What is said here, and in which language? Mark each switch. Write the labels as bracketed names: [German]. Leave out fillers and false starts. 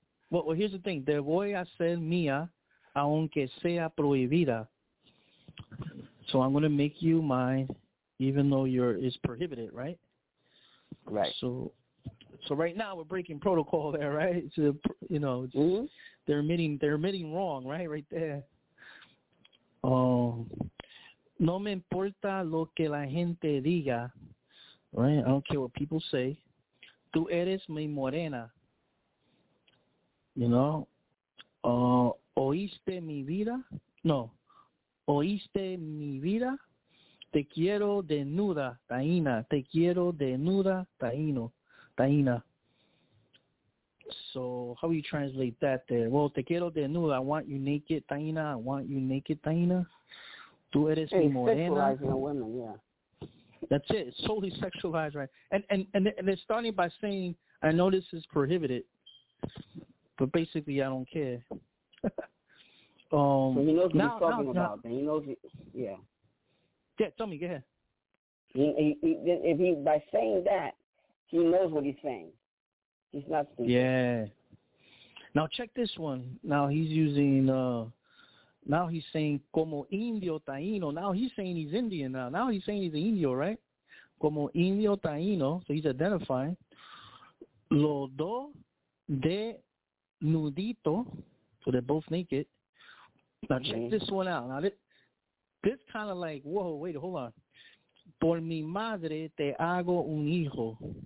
[English] well, here's the thing: [Spanish] te voy a ser mía, aunque sea prohibida. [English] So I'm going to make you mine, even though it's prohibited, right? Right. So right now we're breaking protocol there, right? So, you know, they're admitting wrong, right? Right there. [Spanish] No me importa lo que la gente diga, [English] Right? I don't care what people say. [Spanish] Tú eres mi morena. [English] You know? [Spanish] ¿Oíste mi vida? No. ¿Oíste mi vida? Te quiero desnuda, Taína. Te quiero desnuda, Taíno. Taína. [English] So, how do you translate that there? Well, [Spanish] te quiero desnuda. [English] I want you naked, Taína. I want you naked, Taína. [Spanish] Tú eres mi morena. [English] Sexualizing women, yeah. That's it. Solely sexualized, right? And they're starting by saying, I know this is prohibited, but basically, I don't care. So he knows what he's talking about. Then he knows it. Yeah. Yeah, tell me. Go ahead. If he by saying that, he knows what he's saying. He's not stupid. Yeah. Now check this one. Now he's using. Now he's saying [Spanish] como indio taíno. [English] Now he's saying he's Indian. Now he's saying he's an indio, right? [Spanish] Como indio taíno. [English] So he's identifying. [Spanish] Lo do de nudito. [English] So they're both naked. Now check this one out. Now this kind of like, whoa, wait, hold on. [Spanish] Por mi madre te hago un hijo.